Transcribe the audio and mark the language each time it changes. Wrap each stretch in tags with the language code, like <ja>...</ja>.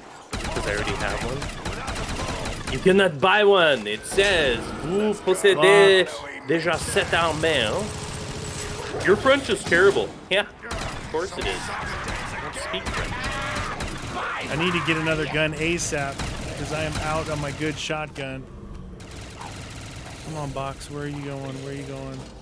<en>Because I already have one. You cannot buy one. It says</en> <fr>vous possédez déjà cette arme.</fr> <en>Your French is terrible. Yeah, of course it is. I don't speak French. I need to get another gun ASAP because I am out on my good shotgun. Come on, Box. Where are you going? Where are you going?</en>